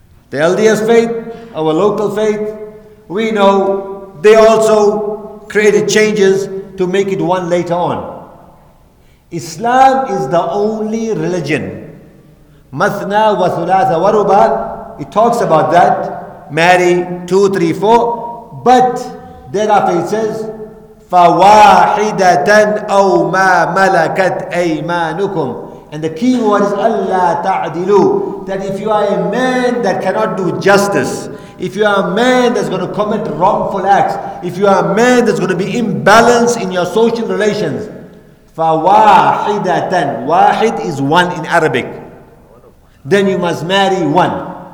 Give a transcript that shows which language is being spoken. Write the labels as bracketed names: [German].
[English] The LDS faith, our local faith, we know they also created changes to make it one later on. Islam is the only religion. [Arabic] Mathna wa thulatha wa ruba, [English] it talks about that. Marry 2, 3, 4. But thereafter it says, [Arabic] فَوَاحِدَةً أَوْ مَا مَلَكَتْ أَيْمَانُكُمْ. [English] And the key word is [Arabic] أَلَّا تَعْدِلُوا. [English] That if you are a man that cannot do justice, if you are a man that's going to commit wrongful acts, if you are a man that's going to be imbalanced in your social relations, [Arabic] فَوَاحِدَةً, [English] واحد is one in Arabic, then you must marry one.